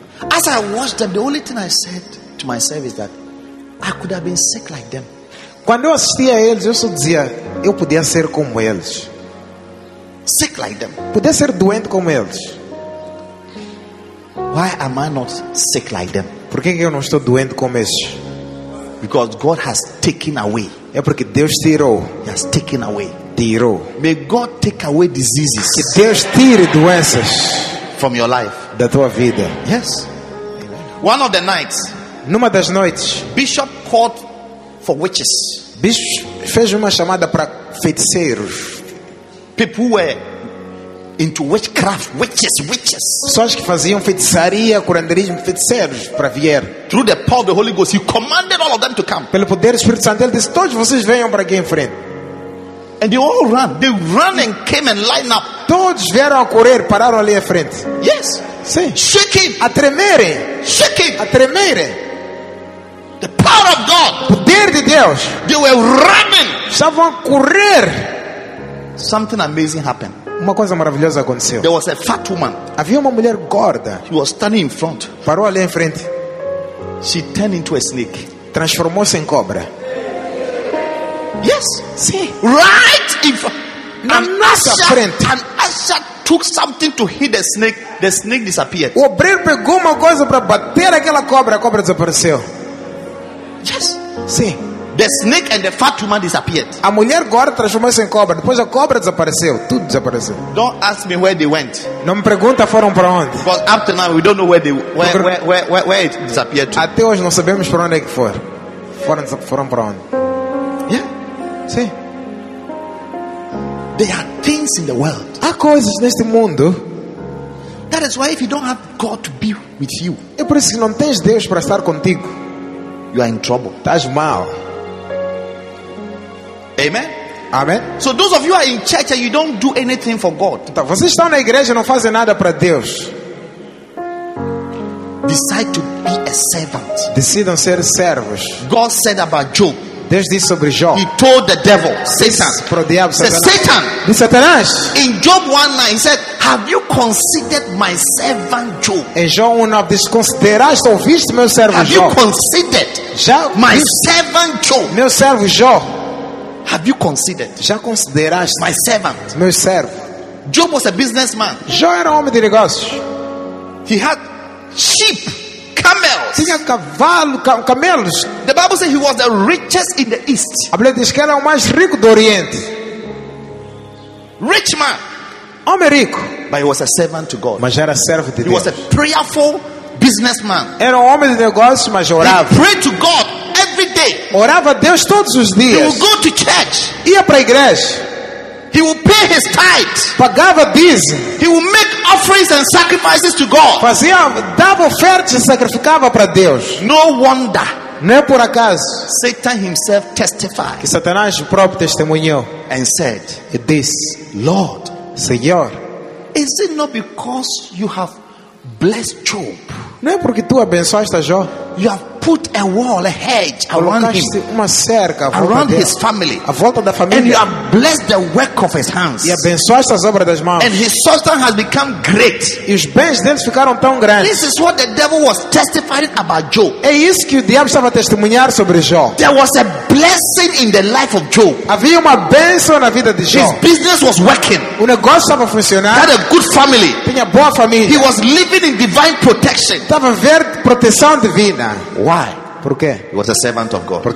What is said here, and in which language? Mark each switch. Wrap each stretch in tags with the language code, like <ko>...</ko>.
<en>As I watched them, the only thing I said to myself is that I could have been sick like them.</en> <pt>Quando eu assistia a eles, eu só dizia, eu podia ser como eles.</pt> <en>Sick like them.</en> <pt>Podia ser doente como eles.</pt> <en>Why am I not sick like them?</en> <pt>Por que eu não estou doente como eles?</pt> <en>Because God has taken away.</en> <pt>É porque Deus tirou.</pt> <en>He has taken away.</en> <pt>Tirou.</pt> <en>May God take away diseases.</en> <pt>Que Deus tire doenças</pt> <en>from your life.</en> <pt>Da tua vida.</pt> <en>Yes. One of the nights.</en> <pt>Numa das noites.</pt> <en>Bishop called for witches.</en> <pt>Bishop fez uma chamada para feiticeiros.</pt> <en>People were into witchcraft. Witches.</en> <pt>Pessoas que faziam feitiçaria, curandeirismo, feiticeiros para vir.</pt> <en>Through the power of the Holy Ghost, he commanded all of them to come.</en> <pt>Pelo poder do Espírito Santo, ele disse, todos vocês venham para aqui em frente.</pt> <en>And they all ran. They ran and came and lined up.</en> <pt>Todos vieram a correr, pararam ali à frente.</pt> <en>Yes.</en> <pt>Sim.</pt> <en>Shaking.</en> <pt>A tremerem.</pt> <en>Shaking.</en> <pt>A tremerem.</pt> <en>The power of God.</en> <pt>O poder de Deus.</pt> <en>They were running.</en> <pt>Estavam a correr.</pt> <en>Something amazing happened.</en> <pt>Uma coisa maravilhosa aconteceu.</pt> <en>There was a fat woman.</en> <pt>Havia uma mulher gorda.</pt> <en>She was standing in front.</en> <pt>Parou ali em frente.</pt> <en>She turned into a snake.</en> <pt>Transformou-se em cobra.</pt> <en>Yes.</en> <pt>Sim.</pt> <en>Right. If</en> <pt>na nossa frente,</pt> <en>an usher took something to hit the snake. The snake disappeared.</en> <pt>O obreiro pegou uma coisa para bater aquela cobra. A cobra desapareceu.</pt> <en>Yes.</en> <pt>Sim.</pt> <en>The snake and the fat woman disappeared.</en> <pt>A mulher gorda transformou-se em cobra. Depois a cobra desapareceu. Tudo desapareceu.</pt> <en>Don't ask me where they went.</en> <pt>Não me pergunta foram para onde.</pt> <en>But up to now we don't know where it disappeared.</en> <pt>Até hoje não sabemos para onde é que foram para onde. Sim.</pt> <en>There are things in the world.</en> <pt>Há coisas neste mundo.</pt> <en>That is why if you don't have God to be with you,</en> <pt>é por isso que não tens Deus para estar contigo,</pt> <en>you are in trouble.</en> <pt>Estás mal.</pt> <en>Amen.</en> <pt>Amen.</pt> <en>So those of you are in church and you don't do anything for God.</en> <pt>Então, vocês estão na igreja e não fazem nada para Deus.</pt> <en>Decide to be a servant.</en> <pt>Decidam ser servos.</pt> <en>God said about Job.</en> <pt>Deus disse sobre Jó.</pt> <en>He told the devil, Satan.</en> <pt>Pro diabo, Satanás. Satan. De Satanás.</pt> <en>In Job 1:9, he said, "Have you considered my servant Job?"</en> <pt>Em Jó 1:9, disse, consideraste ou viste meu servo Jó?</pt> <en>Have you considered my servant Job?</en> <pt>Meu servo Jó.</pt> <en>Have you considered?</en> <pt>Já consideraste</pt> <en>my servant?</en> <pt>Meu servo.</pt> <en>Job was a businessman.</en> <pt>Jó era um homem de negócios.</pt> <en>He had sheep. Camels.</en> <pt>Tinha cavalo, camelos.</pt> <en>The Bible says he was the richest in the east.</en> <pt>A Bíblia diz que era o mais rico do Oriente.</pt> <en>Rich man.</en> <pt>Homem rico.</pt> <en>But he was a servant to God.</en> <pt>Mas era servo de Deus.</pt> <en>He was a prayerful businessman.</en> <pt>Era um homem de negócios, mas orava.</pt> <en>He prayed to God every day.</en> <pt>Orava a Deus todos os dias.</pt> <en>He would go to church.</en> <pt>Ia para a igreja.</pt> <en>He will pay his tithes.</en> <pt>Pagava diz.</pt> <en>He will make offerings and sacrifices to God.</en> <pt>Fazia, dava ofertas e sacrificava para Deus.</pt> <en>No wonder.</en> <pt>Não é por acaso.</pt> <en>Satan himself testified.</en> <pt>Que Satanás próprio testemunhou.</pt> <en>And said, this, Lord,</en> <pt>Senhor,</pt> <en>is it not because you have blessed Job?</en> <pt>Não é porque tu abençoaste a Jó?</pt> <en>You have put a wall, a hedge around him,</en> <pt>uma cerca à volta</pt> <en>around</en> <pt>dele,</pt> <en>his family,</en> <pt>à volta da família,</pt> <en>and you have blessed the work of his hands.</en> <pt>E abençoaste as obras das mãos.</pt> <en>And his substance has become great.</en> <pt>E os bens deles ficaram tão grandes.</pt> <en>This is what the devil was testifying about Job.</en> <pt>É isso que o diabo estava a testemunhar sobre Jó.</pt> <en>There was a blessing in the life of Job.</en> <pt>Havia uma bênção na vida de Jó.</pt> <en>His business was working.</en> <pt>O negócio estava a funcionar.</pt> <en>He had a good family.</en> <pt>Tinha boa família.</pt> <en>He was living in divine protection.</en> <pt>Estava a ver proteção divina.</pt> <en>Why?</en> <pt>Por quê?</pt> <en>He was a servant of God.</en>